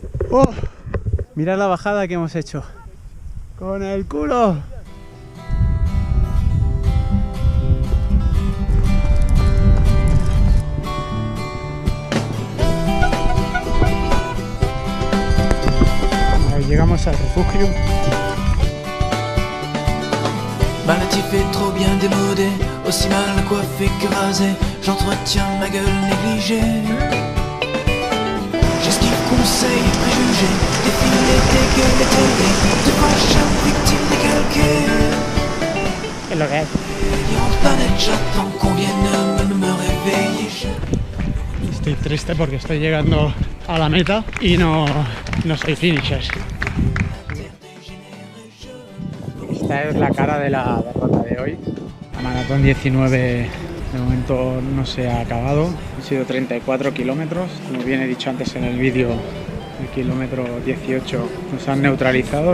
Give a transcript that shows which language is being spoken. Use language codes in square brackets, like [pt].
[es] Oh, mira la bajada que hemos hecho con el culo. Ahí llegamos al refugio. [fr] Vale, tu fais trop bien démodé, aussi mal coiffé que rasé. J'entretiens ma gueule négligée. J'esquive conseils et préjugés, défilé des gueules et télés, de prochaines victimes décalquées. Le rêve. Délirante planète, j'attends qu'on vienne me réveiller. [es] Estoy triste porque estoy llegando a la meta y no soy finisher. Esta es la cara de la derrota de hoy. La maratón 19 de momento no se ha acabado. Han sido 34 kilómetros. Como bien he dicho antes en el vídeo, el kilómetro 18 nos han neutralizado.